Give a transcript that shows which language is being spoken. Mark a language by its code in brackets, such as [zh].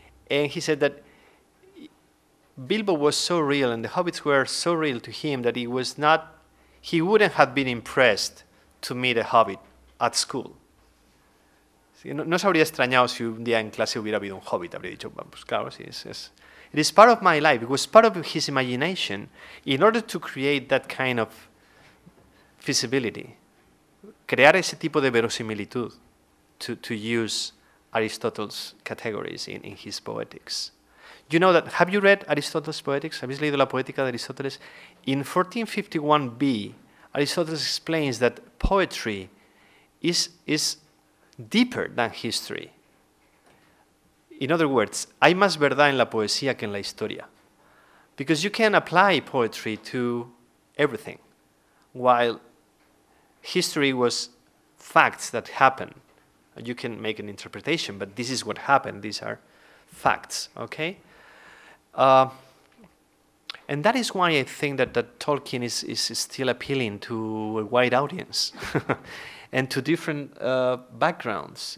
[en] And he said that Bilbo was so real and the hobbits were so real to him that he wouldn't have been impressed to meet a hobbit at school. [es] No se habría extrañado si un día en clase hubiera habido un hobbit. Habría dicho, pues claro, sí, es. [en] It is part of my life. It was part of his imagination in order to create that kind of feasibility. [es] Crear ese tipo de verosimilitud [en] to use Aristotle's categories in his poetics. You know that, have you read Aristotle's poetics? [es] ¿Habéis leído la poética de Aristóteles? [en] In 1451b, Aristotle explains that poetry is deeper than history. In other words, [es] hay más verdad en la poesía que en la historia. [en] Because you can apply poetry to everything. While history was facts that happened, you can make an interpretation, but this is what happened, these are facts, okay? And that is why I think that Tolkien is still appealing to a wide audience and to different backgrounds.